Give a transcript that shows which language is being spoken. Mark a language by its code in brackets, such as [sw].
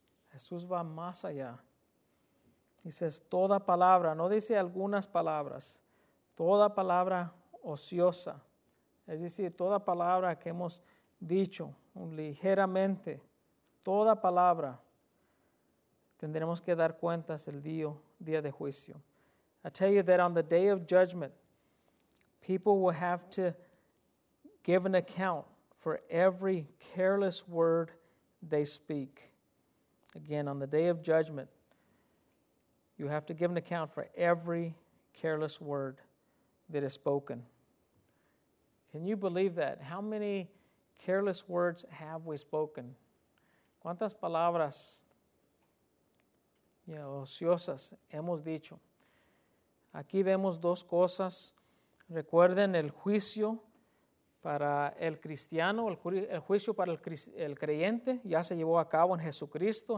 [es] Jesús va más allá. Dice, es toda palabra, no dice algunas palabras, toda palabra ociosa. Es decir, toda palabra que hemos dicho ligeramente, toda palabra, tendremos que dar cuentas el día de juicio. [en] I tell you that on the day of judgment, people will have to give an account for every careless word they speak. Again, on the day of judgment, you have to give an account for every careless word that is spoken. Can you believe that? How many careless words have we spoken? [es] ¿Cuántas palabras, [en] you know, [es] ociosas hemos dicho? Aquí vemos dos cosas. Recuerden el juicio para el cristiano, el juicio para el creyente ya se llevó a cabo en Jesucristo.